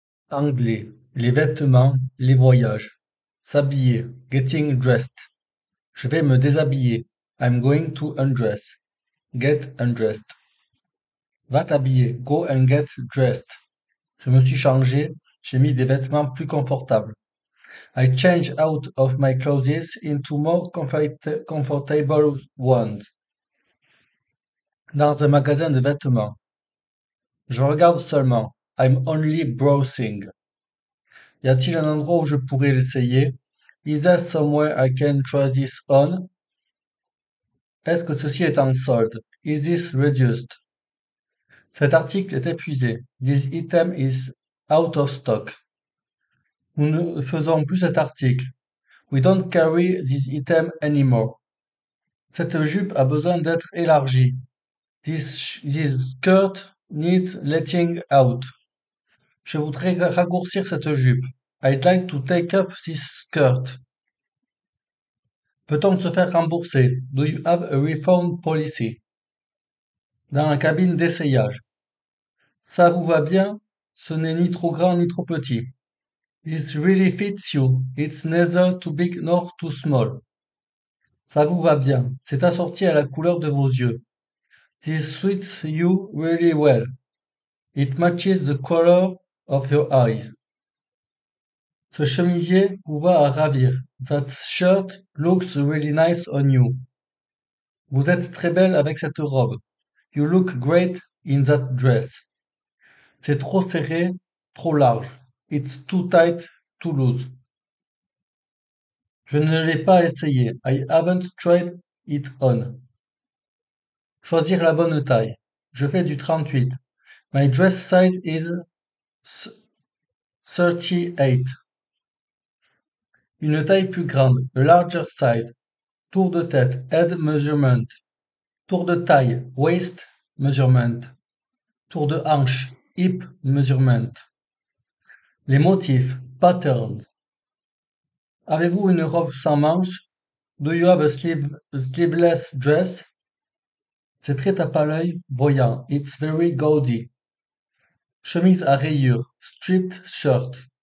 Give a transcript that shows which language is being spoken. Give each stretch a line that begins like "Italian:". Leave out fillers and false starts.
French: Anglais, les vêtements, les voyages. S'habiller,
English: getting dressed.
French: Je vais me déshabiller.
English: I'm going to undress. Get undressed.
French: Va t'habiller.
English: Go and get dressed.
French: Je me suis changé. J'ai mis des vêtements plus confortables.
English: I change out of my clothes into more comfortable ones.
French: Dans un magasin de vêtements. Je regarde seulement.
English: I'm only browsing.
French: Y a-t-il un endroit où je pourrais l'essayer?
English: Is there somewhere I can try this on?
French: Est-ce que ceci est en solde?
English: Is this reduced?
French: Cet article est épuisé.
English: This item is out of stock.
French: Nous ne faisons plus cet article.
English: We don't carry this item anymore.
French: Cette jupe a besoin d'être élargie.
English: This skirt needs letting out.
French: Je voudrais raccourcir cette jupe.
English: I'd like to take up this skirt.
French: Peut-on se faire rembourser?
English: Do you have a refund policy?
French: Dans la cabine d'essayage. Ça vous va bien? Ce n'est ni trop grand ni trop petit.
English: This really fits you. It's neither too big nor too small.
French: Ça vous va bien. C'est assorti à la couleur de vos yeux.
English: This suits you really well. It matches the color of your eyes.
French: Ce chemisier vous va à ravir.
English: That shirt looks really nice on you.
French: Vous êtes très belle avec cette robe.
English: You look great in that dress.
French: C'est trop serré, trop large.
English: It's too tight, too loose.
French: Je ne l'ai pas essayé.
English: I haven't tried it on.
French: Choisir la bonne taille. Je fais du 38.
English: My dress size is 38.
French: Une taille plus grande,
English: larger size.
French: Tour de tête,
English: head measurement.
French: Tour de taille,
English: waist measurement.
French: Tour de hanche,
English: hip measurement.
French: Les motifs,
English: patterns.
French: Avez-vous une robe sans manches?
English: Do you have a sleeveless dress?
French: C'est très tape à l'œil, voyant.
English: It's very gaudy.
French: Chemise à rayures,
English: striped shirt.